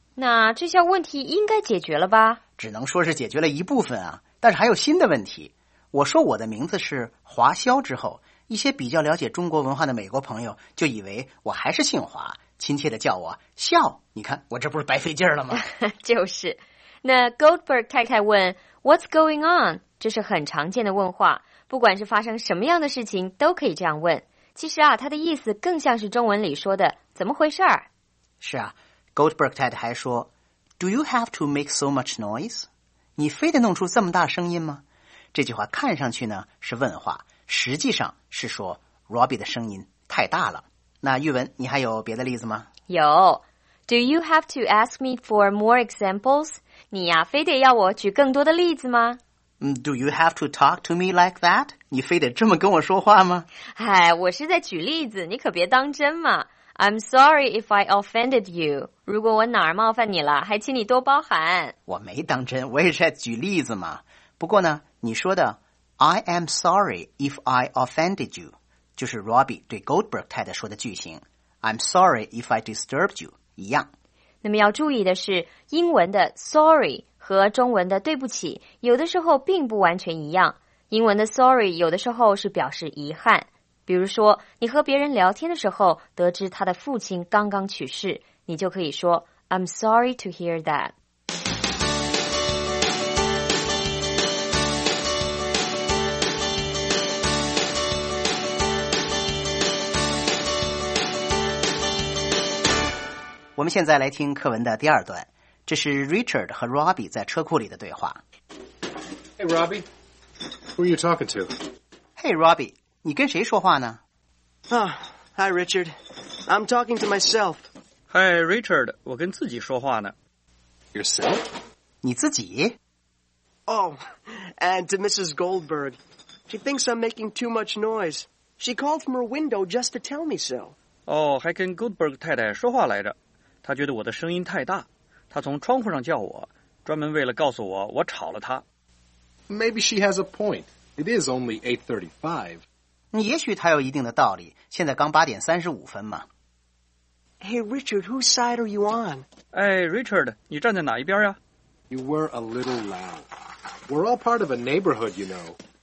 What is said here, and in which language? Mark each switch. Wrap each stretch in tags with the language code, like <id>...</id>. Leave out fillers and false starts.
<zh>那这下问题应该解决了吧？只能说是解决了一部分啊，但是还有新的问题。我说我的名字是华笑之后，一些比较了解中国文化的美国朋友就以为我还是姓华，亲切的叫我笑。你看我这不是白费劲了吗？就是。那 Goldberg 太太问</zh> <en>What's going on?</en> <zh>这是很常见的问话，不管是发生什么样的事情都可以这样问。其实啊，他的意思更像是中文里说的怎么回事儿。是啊， Goldberg 太太还说</zh> <en>Do you have to make so much noise?</en> <zh>你非得弄出这么大声音吗？这句话看上去呢是问话，实际上是说 Robbie 的声音太大了。那玉文，你还有别的例子吗？有。</zh> <en>Do you have to ask me for more examples?</en> <zh>你呀，非得要我举更多的例子吗？</zh> <en>Do you have to talk to me like that?</en> <zh>你非得这么跟我说话吗？哎，我是在举例子，你可别当真嘛。</zh> <en>I'm sorry if I offended you.</en> <zh>如果我哪儿冒犯你了，还请你多包涵。我没当真，我也是在举例子嘛。不过呢，你说的</zh> <en>I am sorry if I offended you</en> <zh>就是 Robbie 对 Goldberg 太太说的句型。</zh> <en>I'm sorry if I disturbed you</en> <zh>一样。那么要注意的是，英文的 sorry和中文的对不起有的时候并不完全一样。英文的 sorry 有的时候是表示遗憾，比如说你和别人聊天的时候得知他的父亲刚刚去世，你就可以说</zh> <en>I'm sorry to hear that。</en> <zh>我们现在来听课文的第二段，这是 Richard 和 Robbie 在车库里的对话。</zh> <en>Hey Robbie, who are you talking to? Hey</en> <zh>Robbie, 你跟谁说话呢？</zh> <en>Hi Richard, I'm talking to myself. Hi</en> <zh>Richard, 我跟自己说话呢。</zh> <en>Yourself?</en> <zh>你自己？</zh> <en>Oh, and to Mrs. Goldberg. She thinks I'm making too much noise. She called from her window just to tell me so.</en> <zh>哦，还跟 Goldberg 太太说话来着，她觉得我的声音太大，她从窗户上叫我，专门为了告诉我我吵了她。</zh> <en>Maybe she has a point. It is only 8:35.</en> <zh>你也许她有一定的道理，现在刚8:35嘛。</zh> <en>Hey Richard, whose side are you on? Hey</en> <zh>Richard, 你站在哪一边呀？</zh> <en>You were a little loud. We're all part of a neighborhood, you know.</en>